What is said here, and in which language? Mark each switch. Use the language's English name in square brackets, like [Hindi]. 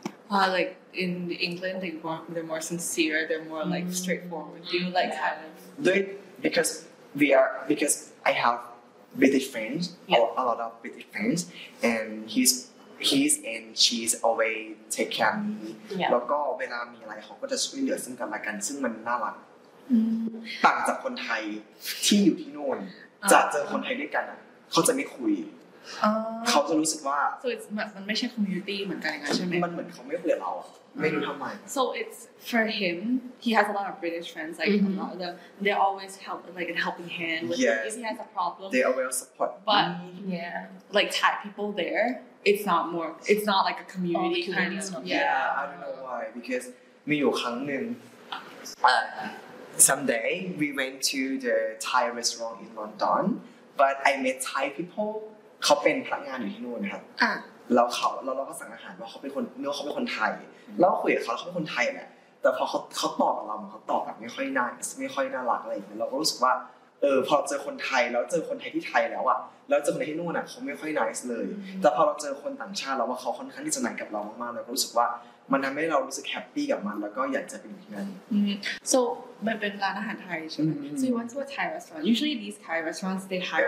[English] Like in England, they're more sincere, they're more like straightforward. Do you like that? Yeah. Because I have British friends, yeah. or a lot of British friends, and he's and she's always take care of me. Yeah. [Thai] แล้วก็เวลามีอะไรเขาก็จะช่วยเหลือซึ่งกันและกันซึ่งมันน่ารักต่างจากคนไทยที่อยู่ที่โน่นจะเจอคนไทยด้วยกันเขาจะไม่คุยเขาจะรู้สึกว่า [English] so it's [Thai] มันไม่ใช่ community เหมือนกันใช่ไห ม มันเหมือนเขาไม่เบื่อเราไม่รู้ทำไม [English] so it's for him he has a lot of British friends like a lot of them they always help like a helping hand yes. if he has a problem they always support but yeah like Thai people there it's not more it's not like a community kind of yeah I don't know why because [Thai] มีอยู่ครั้งหนึ่ง [English] someday we went to the Thai restaurant in London but I met Thai people [Thai] เขาเป็นพนักงานอยู่ที่นู่นนะครับแล้วเราก็สั่งอาหารว่าเขาเป็นคนเนื้อเขาเป็นคนไทยแล้วคุยกับเขาเขาเป็นคนไทยแหละแต่พอเขาตอบกับเราเขาตอบแบบไม่ค่อยน่า รักอะไรอย่างเงี้ยเราก็รู้สึกว่าพอเจอคนไทยแล้วเจอคนไทยที่ไทยแล้วอ่ะแล้วเจอคนที่นู่นอ่ะเขาไม่ค่อยน่ารักเลยแต่พอเราเจอคนต่างชาติแล้วว่าเขาค่อนข้างที่จะน่ากับเรามากๆเราก็รู้สึกว่ามันทำให้เรารู้สึกแฮปปี้กับมันแล้วก็อยากจะเป็นอย่างนั้น [English] so [Thai] มันเป็นร้านอาหารไทยใช่ไหม [English] so he went to a Thai restaurant usually these Thai restaurants they hire